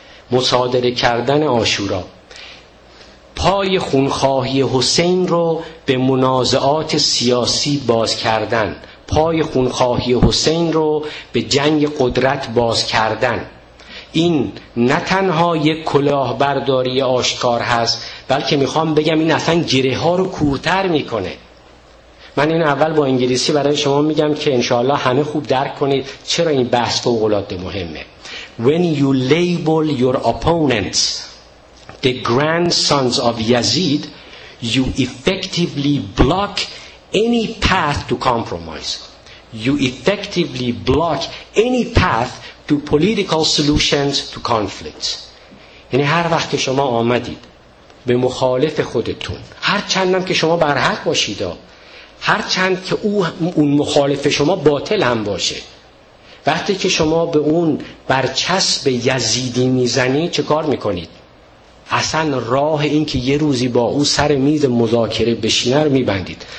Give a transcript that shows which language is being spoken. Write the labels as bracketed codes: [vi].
[fa] مصادره کردن عاشورا، پای خونخواهی حسین رو به منازعات سیاسی باز کردن، پای خونخواهی حسین رو به جنگ قدرت باز کردن. این نه تنها یک کلاهبرداری آشکار هست، بلکه میخوام بگم این اصلا گره ها رو کورتر میکنه. من این اول با انگلیسی برای شما میگم که انشاءالله همه خوب درک کنید چرا این بحث فوق‌العاده مهمه. [en] When you label your opponents the grandsons of Yazid, you effectively block any path to compromise. You effectively block any path to political solutions to conflicts. [fa] یعنی هر وقت شما آمدید به مخالف خودتون، هر چندم که شما برحق باشید، هر چند که اون مخالف شما باطل هم باشه، وقتی که شما به اون برچسب یزیدی میزنی چه کار میکنید؟ اصلا راه این که یه روزی با او سر میز مذاکره بشینه رو میبندید.